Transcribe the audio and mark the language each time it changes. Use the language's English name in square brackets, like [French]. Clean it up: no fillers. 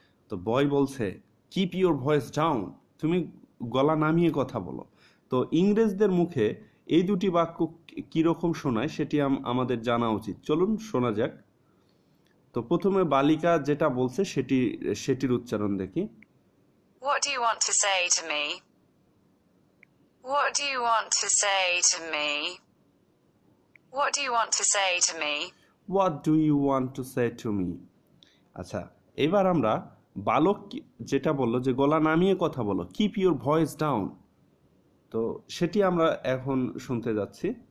[Bangla] তো বয় বলছে, [English] keep your voice down, [Bangla] তুমি গলা নামিয়ে কথা বলো। তো ইংরেজদের মুখে এই দুটি বাক্য কীরকম শোনায় সেটি আমাদের জানা উচিত। চলুন শোনা যাক। তো প্রথমে বালিকা যেটা বলছে সেটির উচ্চারণ দেখি। [English] What do you want to say to me? What do you want to say to me? What do you want to say to me? What do you want to say to me? [Bangla] আচ্ছা, এবার আমরা বালক যেটা বললো যে গলা নামিয়ে কথা বলো, [English] keep your voice down, [Bangla] তো সেটি আমরা এখন শুনতে যাচ্ছি।